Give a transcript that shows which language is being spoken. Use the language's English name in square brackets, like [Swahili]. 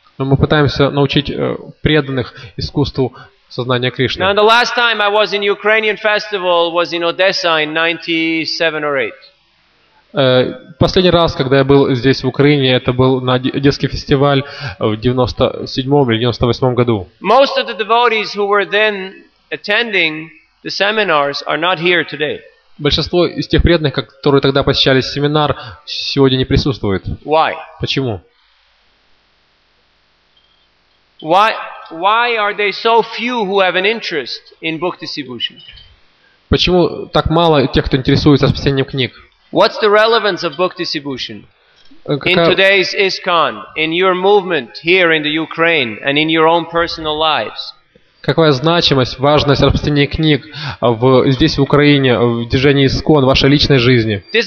[Russian] Но мы пытаемся научить преданных искусству сознания Кришны. [English] Now the last time I was in Ukrainian festival was in Odessa in 97 or 8. [Russian] Последний раз, когда я был здесь в Украине, это был на детский фестиваль в 97 или 98 году. [English] Most of the devotees who were then attending the seminars are not here today. [Russian] Большинство из тех преданных, которые тогда посещали семинар, сегодня не присутствует. [English] Why? [Russian] Почему? [English] Why are they so few who have an interest in book distribution? [Russian] Почему так мало тех, кто интересуется распространением книг? [English] What's the relevance of book distribution in today's ISKCON, in your movement here in the Ukraine, and in your own personal lives? [Russian] Какая значимость, важность распространения книг здесь, в Украине, в движении ИСККОН, в вашей личной жизни?